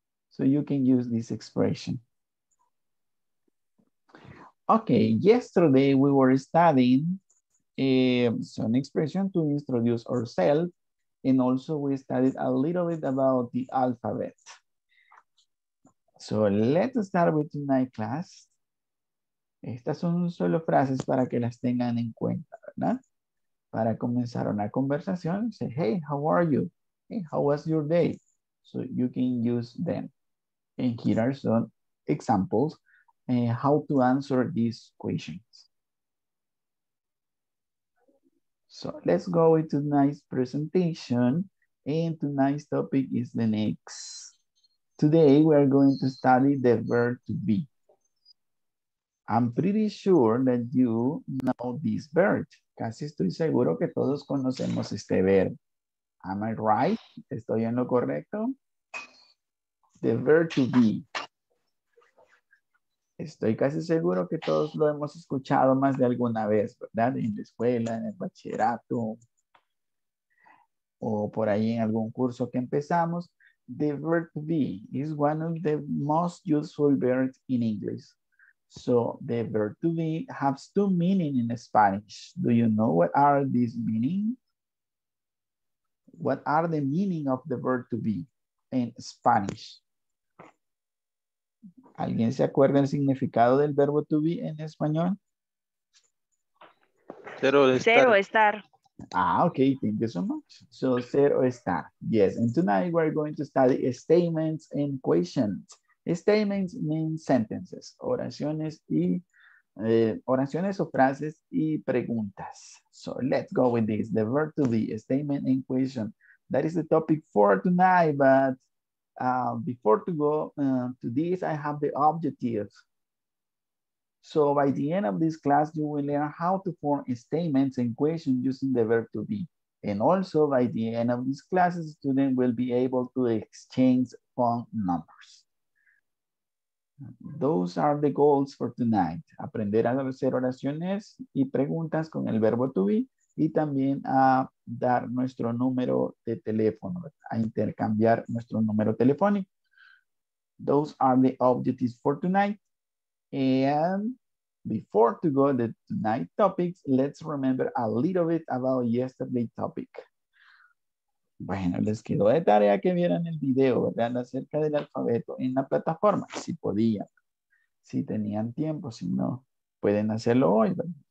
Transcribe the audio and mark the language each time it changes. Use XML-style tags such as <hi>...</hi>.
<en>So you can use this expression. Okay, yesterday we were studying some expression to introduce ourselves. And also we studied a little bit about the alphabet. So let's start with tonight class.</en> <es>Estas son solo frases para que las tengan en cuenta, ¿verdad? Para comenzar una conversación,</es> <en>say, hey, how are you? Hey, how was your day? So you can use them. And here are some examples and how to answer these questions. So let's go into tonight's presentation. And tonight's topic is the next. Today we are going to study the verb to be. I'm pretty sure that you know this verb.</en> <es>Casi estoy seguro que todos conocemos este verbo.</es> <en>Am I right?</en> <es>¿Estoy en lo correcto? The verb to be. Estoy casi seguro que todos lo hemos escuchado más de alguna vez, ¿verdad? En la escuela, en el bachillerato, o por ahí en algún curso que empezamos.</es> <en>The verb to be is one of the most useful verbs in English. So the verb to be has two meanings in Spanish. Do you know what are these meanings? What are the meaning of the verb to be in Spanish?</en> <es>¿Alguien se acuerda el significado del verbo to be en español? Ser o estar. Ser o estar.</es> <en>Ah, okay, thank you so much. So, ser o estar. Yes, and tonight we're going to study statements and questions. Statements mean sentences,</en> <es>oraciones y oraciones o frases y preguntas.</es> <en>So let's go with this. The verb to be, statement and question. That is the topic for tonight. But before to go to this, I have the objective. So by the end of this class, you will learn how to form statements and questions using the verb to be. And also by the end of this class, the student will be able to exchange phone numbers. Those are the goals for tonight.</en> <es>Aprender a hacer oraciones y preguntas con el verbo to be y también a dar nuestro número de teléfono, a intercambiar nuestro número telefónico.</es> <en>Those are the objectives for tonight. And before to go to tonight topics, let's remember a little bit about yesterday's topic.</en> <es>Bueno, les quedó de tarea que vieran el video, ¿verdad? Acerca del alfabeto en la plataforma, si podían, si tenían tiempo, si no, pueden hacerlo hoy, ¿verdad?</es>